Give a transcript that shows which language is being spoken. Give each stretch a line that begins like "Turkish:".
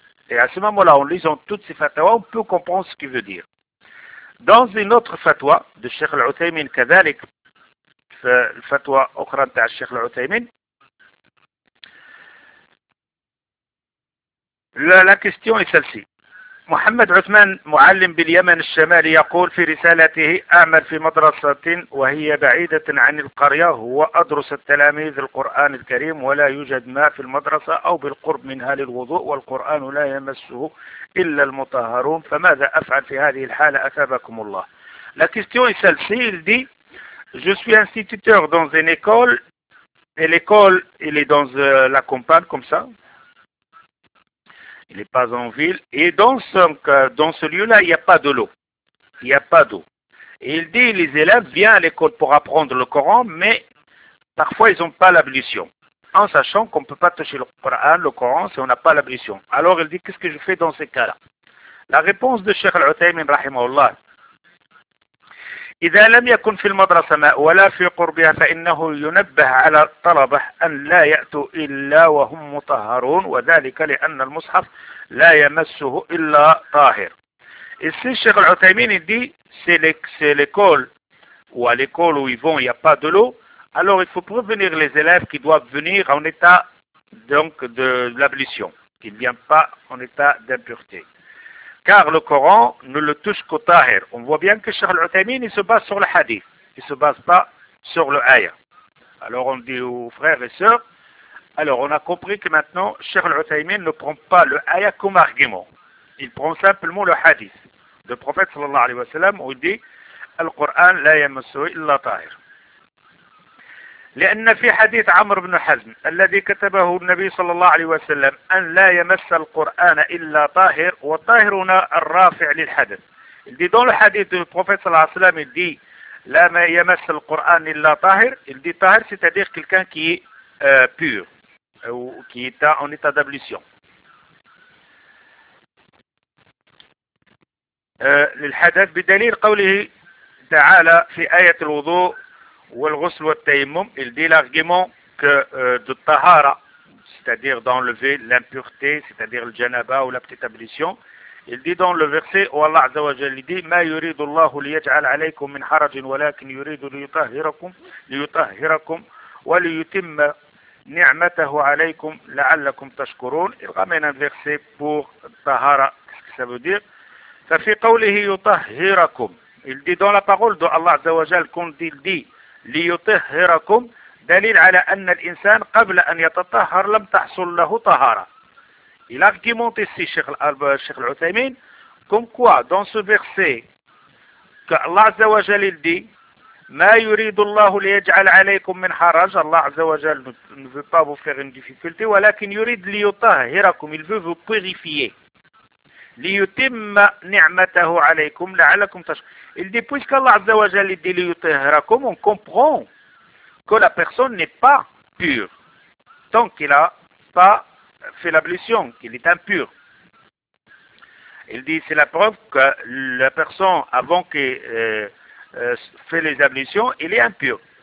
French: Et à ce moment-là, en lisant toutes ces fatwas, on peut comprendre ce qu'il veut dire. Dans une autre fatwa de Cheikh Al-Uthaymin, كذلك, la fatwa autre de Cheikh Al-Uthaymin, la question est celle-ci.
Arabic: Mohamed Othman, Mu'allim bil Yaman al-Shamali, يقول في رسالته أعمل في مدرسة وهي بعيدة عن القرية هو أدرس التلاميذ القرآن الكريم ولا يوجد ماء في المدرسة أو بالقرب منها للوضوء والقرآن لا يمسه إلا المطهرون فماذا أفعل في هذه الحالة أثابكم الله.
French: La question est celle-ci, il dit, je suis instituteur dans une école, et l'école, il est dans la campagne comme ça. Il n'est pas en ville. Et dans ce lieu-là, il n'y a pas de l'eau. Il n'y a pas d'eau. Et il dit, les élèves viennent à l'école pour apprendre le Coran, mais parfois, ils n'ont pas l'ablution. En sachant qu'on ne peut pas toucher le Coran, si on n'a pas l'ablution. Alors, il dit, qu'est-ce que je fais dans ces cas-là? La réponse de Cheikh Al-Uthaymin, rahimahullah.
Arabic: إذا لم يكن في المدرسة ماء ولا في قربها فإنه ينبه على الطلبة أن لا يأتوا إلا وهم مطهرون وذلك لأن المصحف لا يمسه إلا طاهر.
French: Ici, Cheikh Al-Uthaymin dit, c'est l'école, ou à l'école où ils vont, il n'y a pas de l'eau, alors il faut prévenir les élèves qui doivent venir en état donc de l'ablution, qui ne viennent pas en état d'impureté. Car le Coran ne le touche qu'au Tahir. On voit bien que Cheikh Al-Uthaymin il se base sur le hadith. Il ne se base pas sur le ayah. Alors on dit aux frères et sœurs, alors on a compris que maintenant Cheikh Al-Uthaymin ne prend pas le ayah comme argument. Il prend simplement le hadith du prophète sallallahu alayhi wa sallam où il dit
Arabic: Al-Quran la yamassu illa Tahir. لأن في حديث عمرو بن حزم الذي كتبه النبي صلى الله عليه وسلم أن لا يمس القرآن إلا طاهر والطاهر هنا الرافع للحدث.
French: Il dit dans le hadith du prophète
Arabic: صلى الله عليه وسلم
French: il dit
Arabic: لا ما يمس القرآن إلا طاهر.
French: Il dit طاهر c'est-à-dire quelqu'un qui est pur ou qui est en état d'ablution.
Arabic: للحدث بدليل قوله تعالى في آية الوضوء والغسل والتيمم.
French: Il dit l'argument que de tahara, c'est-à-dire d'enlever l'impureté, c'est-à-dire le janaba ou la petite ablution. Il dit dans le verset où Allah Azza wa Jalla dit
Arabic: ما يريد الله ليجعل عليكم من حرج ولكن يريد ليطهركم وليتم نعمته عليكم لعلكم تشكرون.
French: Il ramène un verset pour tahara. Qu'est-ce que ça veut dire?
Arabic: ففي قوله يطهركم.
French: Il dit dans la parole de Allah Azza wa Jalla qu'on dit
Arabic: ليطهركم، دليل على أن الإنسان قبل أن يتطهر لم تحصل له طهارة.
French: Il argumente ici, Cheikh Al-Uthaymin, comme quoi, dans ce verset, qu'Allah Azza wa Jalil dit,
Arabic: ما يريد الله ليجعل عليكم من حرج.
French: Allah Azza wa Jalil ne veut pas vous faire une difficulté,
Arabic: ولكن يريد ليطهركم.
French: Il veut vous purifier.
Arabic: ليتم نعمته عليكم لعلكم تشكرون.
French: Il dit, puisqu'Allah Azza wa Jalil dit
Arabic: ليطهركم,
French: on comprend que la personne n'est pas pure tant qu'il n'a pas fait l'ablution, qu'il est impur. Il dit, c'est la preuve que la personne, avant qu'elle fait les ablutions, il est impur.